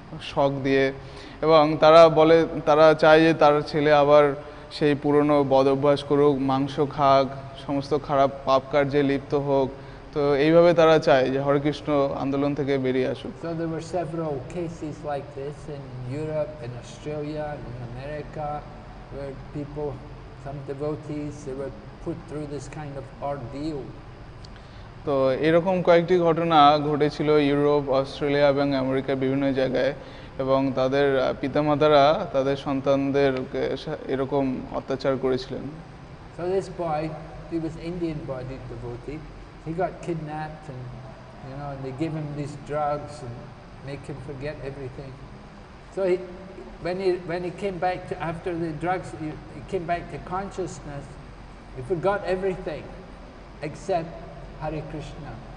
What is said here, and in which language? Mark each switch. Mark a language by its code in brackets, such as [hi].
[bn] শক দিয়ে, এবং তারা বলে তারা চায় যে তার ছেলে আবার সেই পুরনো বদ অভ্যাস করুক, মাংস খাক, সমস্ত খারাপ পাপ কার্যে লিপ্ত হোক। তো এইভাবে তারা চায় যে হরে কৃষ্ণ আন্দোলন থেকে বেরিয়ে আসুক। [en] So there were several cases like this in Europe, in Australia, in America, where people, some devotees, they were put through this kind of ordeal. [bn] তো এরকম কয়েকটি ঘটনা ঘটেছিল ইউরোপ, অস্ট্রেলিয়া এবং আমেরিকার বিভিন্ন জায়গায়, এবং তাদের পিতামাতারা তাদের সন্তানদের এরকম অত্যাচার করেছিলেন। [en] So this boy, he was Indian body devotee. He got kidnapped and, you know, they gave him these drugs and make him forget everything. So when he came back to, after the drugs, he came back to consciousness, he forgot everything except Hare Krishna.